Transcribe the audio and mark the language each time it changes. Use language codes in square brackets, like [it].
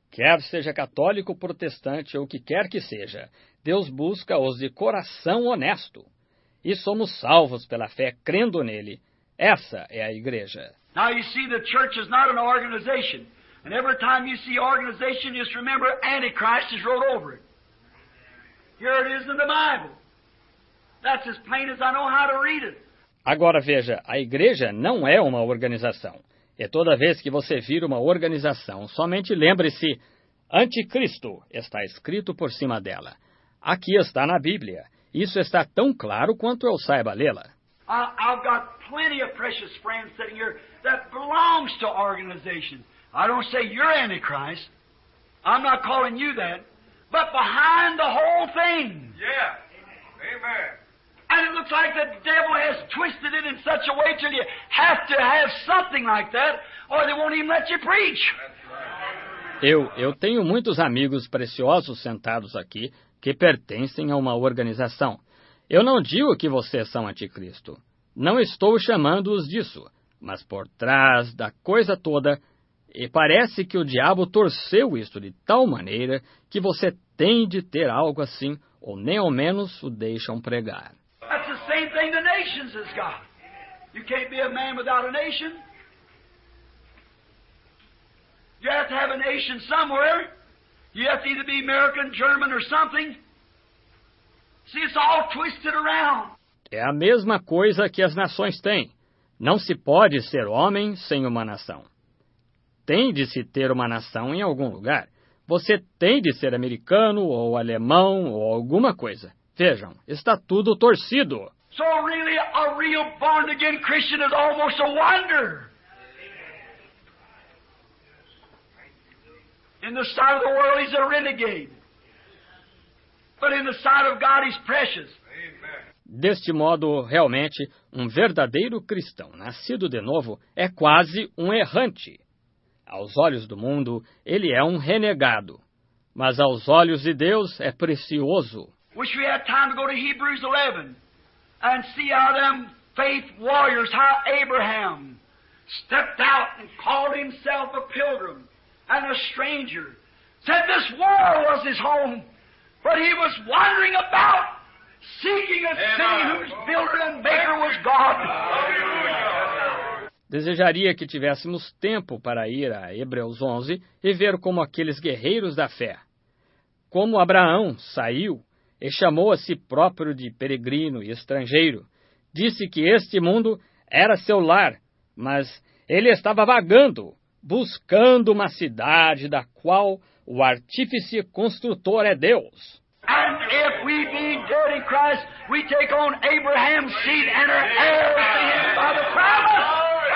[pt] Quer seja católico, protestante ou o que quer que seja, Deus busca os de coração honesto. E somos salvos pela fé crendo nele. Essa é a igreja. [en] Now you see the church is not an organization. And every time you see organization, just remember Antichrist is wrote over it. Here it is in the Bible. That's as plain as I know how to read it. [pt] Agora veja, a igreja não é uma organização. E toda vez que você vir uma organização, somente lembre-se, Anticristo está escrito por cima dela. Aqui está na Bíblia. Isso está tão claro quanto eu saiba lê-la. [en] I've got plenty of precious friends sitting here that belongs to organizations. I don't say you're Antichrist. I'm not calling you that. But behind the whole thing. Yeah. Amen. And it looks like the devil has twisted it in such a way till you have to have something like that, or they won't even let you preach. [pt] Eu tenho muitos amigos preciosos sentados aqui que pertencem a uma organização. Eu não digo que vocês são anticristo. Não estou chamando-os disso. Mas por trás da coisa toda, e parece que o diabo torceu isto de tal maneira que você tem de ter algo assim, ou nem ao menos o deixam pregar. [en] That's the same thing the nations has got. You can't be a man without a nation. You have to have a nation somewhere. You have to either be American, German, or something. See, it's all twisted around. [pt] É a mesma coisa que as nações têm. Não se pode ser homem sem uma nação. Tem de se ter uma nação em algum lugar. Você tem de ser americano, ou alemão, ou alguma coisa. Vejam, está tudo torcido. [en] So really, a real born-again Christian is almost a wonder. In the sight of the world, he's a renegade. But in the sight of God, he's precious. [pt] Deste modo, realmente, um verdadeiro cristão nascido de novo é quase um errante. Aos olhos do mundo, ele é um renegado. Mas aos olhos de Deus, é precioso. [en] Wish we had time to go to Hebrews 11 and see how them faith warriors, how Abraham stepped out and called himself a pilgrim and a stranger. Said this world was his home, but he was wandering about seeking a city whose builder and maker was God. [pt] Desejaria que tivéssemos tempo para ir a Hebreus 11 e ver como aqueles guerreiros da fé, como Abraão saiu e chamou a si próprio de peregrino e estrangeiro, disse que este mundo era seu lar, mas ele estava vagando, buscando uma cidade da qual o artífice construtor é Deus. [en] And if we be dead in Christ, we take on Abraham's seed and are heirs to him by the promise.